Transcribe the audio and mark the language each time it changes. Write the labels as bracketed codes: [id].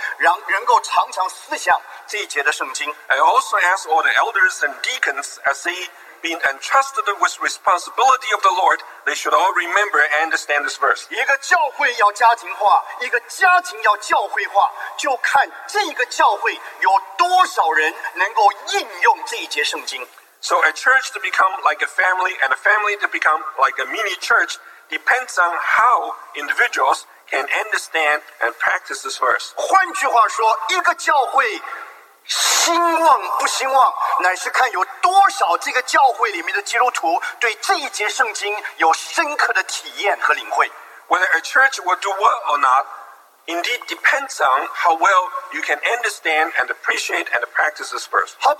[zh] 我也盼望每一个长老、每一个执事，在他们接受这个神圣的托付的时候，能够常常思想这一节的圣经。 [en] I also ask all the elders and deacons as they being entrusted with responsibility of the Lord, they should all remember and understand this verse. [zh] 一个教会要家庭化，一个家庭要教会化，就看这个教会有多少人能够应用这一节圣经。 [en] So a church to become like a family and a family to become like a mini church depends on how individuals can understand and practice this verse. [zh] 换句话说，一个教会 兴旺不兴旺，乃是看有多少这个教会里面的基督徒对这一节圣经有深刻的体验和领会。 [en] Whether a church will do well or not, indeed depends on how well you can understand and appreciate and practice this verse.